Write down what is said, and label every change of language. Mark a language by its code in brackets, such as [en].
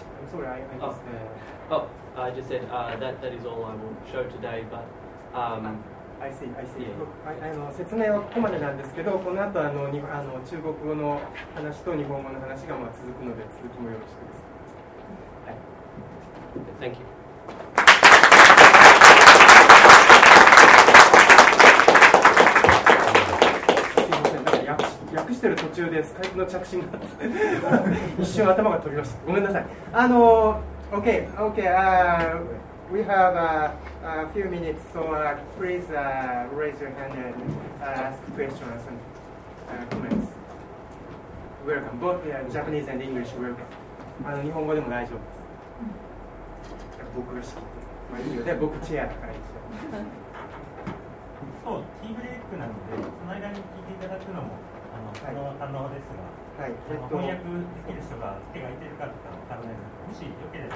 [en] I just said that is all I will show today, but I see, I see. Yeah. [ja] 説明はここまでなんですけど、この後あの中国語の話と日本語の話がまあ続くので、続きもよろしくです。はい。 [en] Thank you. [ja] すいません、なんか訳してる途中でスカイプの着信があって、一瞬頭が飛びました。ごめんなさい。Okay. [en] We have a few minutes, so please raise your hand and ask questions and comments. Welcome, both Japanese and English. Welcome. [ja] 日本語でも大丈夫です。僕が仕切って、まあいいよ。で、僕チェアだから一応。そう、ティーブレイクなので、その間に聞いていただくのも可能ですが、はい、翻訳できる人が手が空いてるかとかわからないので、もしよければ。